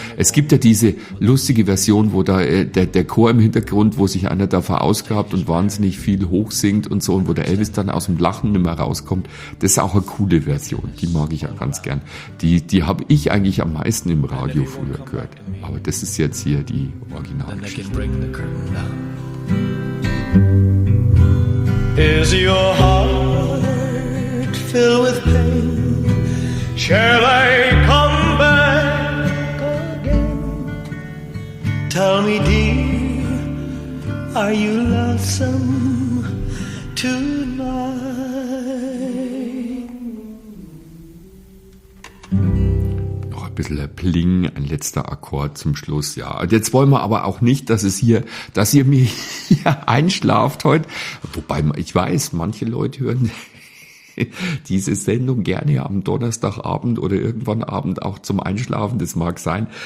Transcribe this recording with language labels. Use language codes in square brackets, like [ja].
[de] Es gibt ja diese lustige Version, wo da der Chor im Hintergrund, wo sich einer da verausgabt und wahnsinnig viel hochsingt und so, und wo der Elvis dann aus dem Lachen nicht mehr rauskommt. Das ist auch eine coole Version. Die mag ich auch ganz gern. Die habe ich eigentlich am meisten im Radio früher gehört. Aber das ist jetzt hier die Originalgeschichte. [en] Is your heart filled with pain? Shall I come back again? Tell me, dear, are you lonesome tonight? [de] Noch ein bisschen Pling, ein letzter Akkord zum Schluss. Ja, jetzt wollen wir aber auch nicht, dass ihr mich einschlaft heute. Wobei, ich weiß, manche Leute hören diese Sendung gerne am Donnerstagabend oder irgendwann Abend auch zum Einschlafen, das mag sein.